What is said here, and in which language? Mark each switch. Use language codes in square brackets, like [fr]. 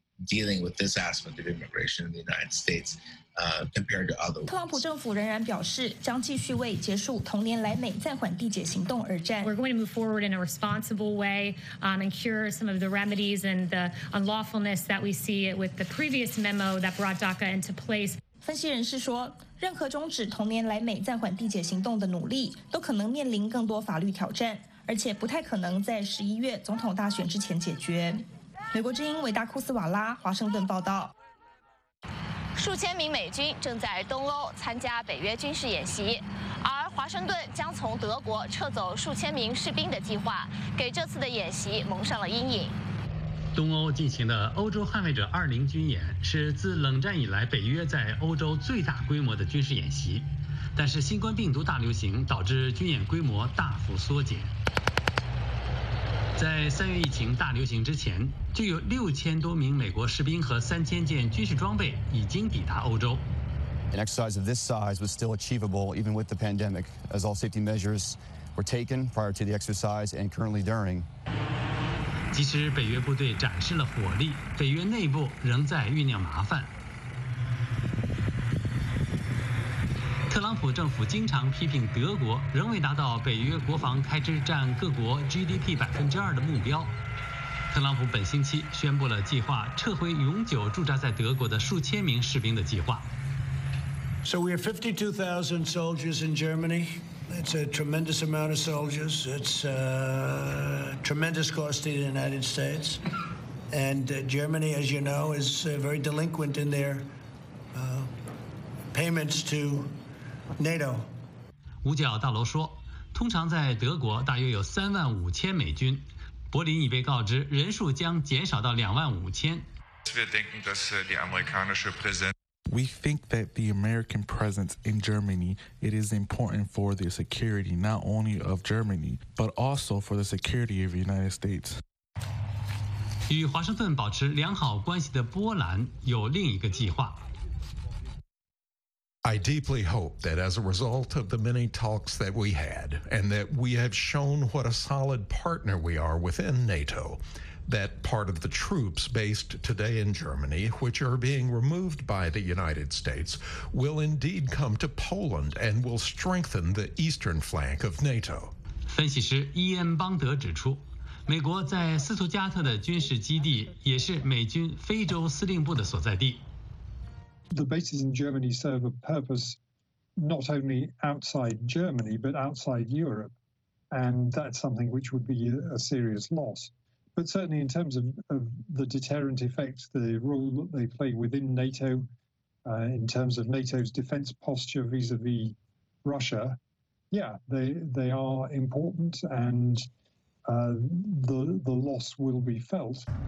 [en] Dealing with this aspect of immigration in the United States, compared to other. [zh] 特朗普政府仍然表示将继续为结束同年来美暂缓递解行动而战。 [en] We're going to move forward in a responsible way, and cure some of the remedies and the unlawfulness that we see with the previous memo that brought DACA into place. [zh] 分析人士说，任何终止同年来美暂缓递解行动的努力，都可能面临更多法律挑战，而且不太可能在11月总统大选之前解决。美国之音维达库斯瓦拉华盛顿报道。数千名美军正在东欧参加北约军事演习，而华盛顿将从德国撤走数千名士兵的计划，给这次的演习蒙上了阴影。东欧进行的欧洲捍卫者20军演是自冷战以来北约在欧洲最大规模的军事演习，但是新冠病毒大流行导致军演规模大幅缩减。在三月疫情大流行之前，就有6000多名美国士兵和3000件军事装备已经抵达欧洲。 [en] An exercise of this size was still achievable even with the pandemic, as all safety measures were taken prior to the exercise and currently during. [zh] 即使北约部队展示了火力，北约内部仍在酝酿麻烦。特朗普政府经常批评德国仍未达到北约国防开支占各国 GDP 2%的目标。特朗普本星期宣布了计划撤回永久驻扎在德国的数千名士兵的计划。 [en] So we have 52,000 soldiers in Germany. It's a tremendous amount of soldiers. It's a tremendous cost to the United States. And Germany, as you know, is very delinquent in their payments to. NATO [zh] 五角大楼说，通常在德国大约有35,000美军，柏林已被告知人数将减少到25,000。 [de] Wir denken, dass die amerikanische Präsenz. [en] We think that the American presence in Germany it is important for the security not only of Germany but also for the security of the United States. [zh] 与华盛顿保持良好关系的波兰有另一个计划。 [en] I deeply hope that as a result of the many talks that we had and that we have shown what a solid partner we are within NATO, that part of the troops based today in Germany, which are being removed by the United States, will indeed come to Poland and will strengthen the eastern flank of NATO. [zh] 分析师伊恩·邦德指出，美国在斯图加特的军事基地也是美军非洲司令部的所在地。 [en] The bases in Germany serve a purpose not only outside Germany but outside Europe, and that's something which would be a serious loss. But certainly, in terms of the deterrent effect, the role that they play within NATO, in terms of NATO's defense posture vis-a-vis Russia, yeah, they are important, and the loss will be felt.